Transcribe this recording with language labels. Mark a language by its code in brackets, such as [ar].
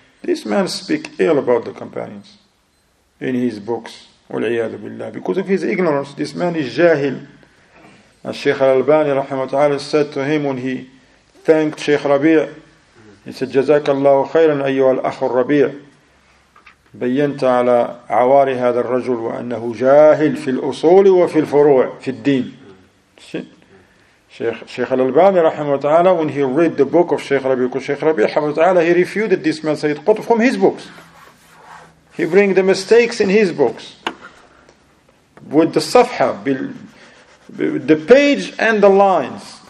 [en] This man speak ill about the companions in his books. Wal'iyadu billah. Because of his ignorance, this man is jahil. And Sheikh al-Albani rahimahutaala said to him when he thanked Sheikh Rabi', he said, [ar] Jazakallahu khayran ayyuhal akhu al-Rabi'. بينت على عوار هذا الرجل وأنه جاهل في الأصول وفي الفروع في الدين. [en] شيخ الألباني رحمه تعالى when he read the book of شيخ ربيع رحمه تعالى he refuted this man سيد قطب from his books. He bring the mistakes in his books with the صفحة the page and the lines.